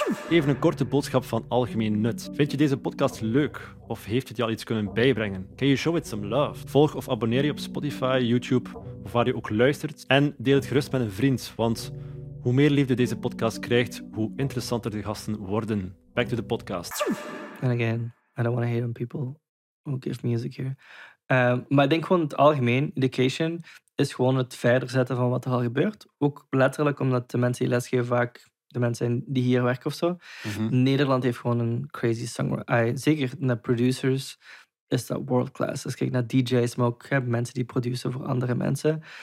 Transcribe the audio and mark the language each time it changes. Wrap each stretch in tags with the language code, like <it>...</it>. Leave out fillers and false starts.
<nl>Even een korte boodschap van algemeen nut. Vind je deze podcast leuk? Of heeft het je al iets kunnen bijbrengen?</nl> <en>Can you show it some love?</en> <nl>Volg of abonneer je op Spotify, YouTube of waar je ook luistert. En deel het gerust met een vriend, want hoe meer liefde deze podcast krijgt, hoe interessanter de gasten worden.</nl> <en>Back to the podcast. And again, I don't want to hate on people who give music here.</en> <nl>Maar ik denk gewoon het algemeen, education is gewoon het verder zetten van wat er al gebeurt. Ook letterlijk, omdat de mensen die lesgeven vaak de mensen zijn die hier werken of zo. Mm-hmm. Nederland heeft gewoon een crazy songwriter. Zeker naar producers is dat world class. Dus kijk naar DJ's, maar ook mensen die produceren voor andere mensen.</nl>